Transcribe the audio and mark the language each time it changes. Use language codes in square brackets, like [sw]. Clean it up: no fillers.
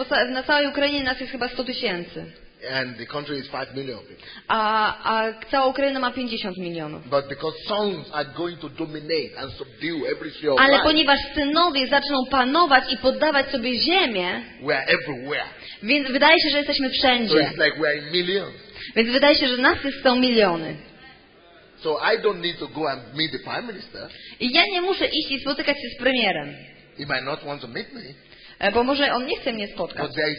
[pl] Na całej Ukrainie nas jest chyba 100 000. [en] And the country is 5 million people. [pl] A cała Ukraina ma 50 milionów. [en] But because sons are going to dominate and subdue every sphere of life. [pl] Ale ponieważ synowie zaczną panować i poddawać sobie ziemię. [en] We are everywhere. [pl] Więc wydaje się, że jesteśmy wszędzie. [en] So it's like we are in millions. [pl] Więc wydaje się, że nas jest 100 miliony. [en] So I don't need to go and meet the prime minister. [pl] I ja nie muszę iść i spotykać się z premierem. [en] He might not want to meet me. [pl] Bo może on nie chce mnie spotkać.